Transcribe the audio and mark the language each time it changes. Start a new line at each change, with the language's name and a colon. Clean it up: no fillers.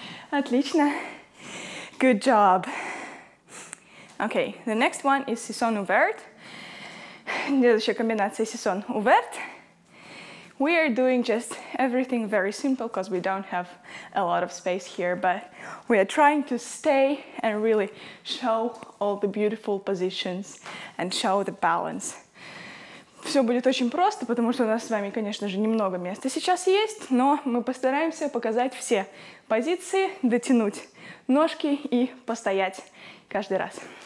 Russian: Отлично.
English: Good job. Okay, the next one is сезон уверт.
Russian: Следующая комбинация сезон уверт.
English: We are doing just everything very simple because we don't have a lot of space here, but we are trying to stay and really show all the beautiful positions and show the balance.
Russian: Все будет очень просто, потому что у нас с вами, конечно же, немного места сейчас есть, но мы постараемся показать все позиции, дотянуть ножки и постоять каждый раз.